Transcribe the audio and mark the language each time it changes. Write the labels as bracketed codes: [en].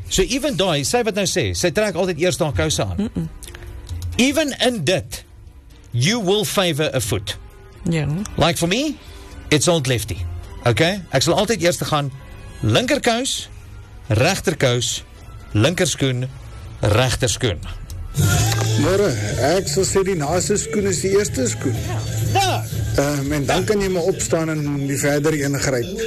[af] So even daai, sy wat nou sê, sy trek altyd eers haar kouse aan. Mm-mm. [en] Even [af] in dit, [en] you will favor a foot. Yeah. Like for me, it's old lefty. Okay? [af] Ek sal altyd eers gaan linkerkous, regterkous, linkerskoen, regterskoen. Môre, ek sal sê die naaste skoen is die eerste skoen. Ja. En dan kan jy maar opstaan en die verder ingryp.